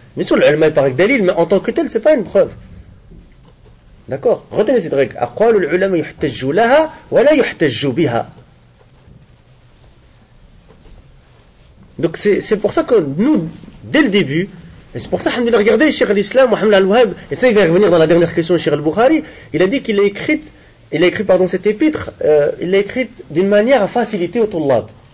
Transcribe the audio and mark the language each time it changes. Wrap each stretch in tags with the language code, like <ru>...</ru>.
<fr>Mais sur l'ulama, il paraît que dalil, mais en tant que tel, ce n'est pas une preuve. D'accord? Retenez cette règle.</fr> <ar>أقوال العلماء يحتج لها ولا يحتج بها.</ar> <fr>Donc c'est pour ça que nous, dès le début, et c'est pour ça, alhamdulillah, regardez, Cheikh l'Islam, Mohamed Al-Wahhab, et ça, il va revenir dans la dernière question, Cheikh Al-Bukhari, il a dit qu'il a écrit, cette épître, il l'a écrite d'une manière à faciliter au tullab.</fr>